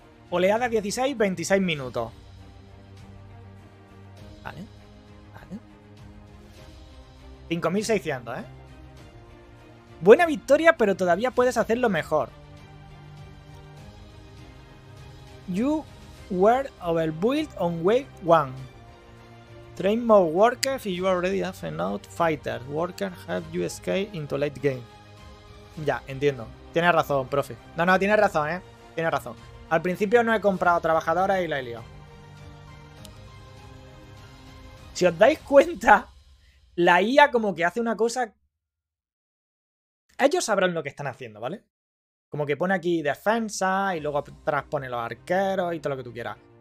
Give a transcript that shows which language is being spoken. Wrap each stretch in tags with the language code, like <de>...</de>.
<es>Oleada 16, 26 minutos. Vale. Vale. 5600, ¿eh? Buena victoria, pero todavía puedes hacerlo mejor.</es> <en>You were overbuilt on wave 1. Train more workers if you already have enough fighter. Worker have you escape into late game.</en> <es>Ya, entiendo. Tienes razón, profe. No, no, tienes razón, ¿eh? Tienes razón. Al principio no he comprado trabajadoras y la he liado. Si os dais cuenta, la IA como que hace una cosa... Ellos sabrán lo que están haciendo, ¿vale? Como que pone aquí defensa y luego atrás pone los arqueros y todo lo que tú quieras.</es>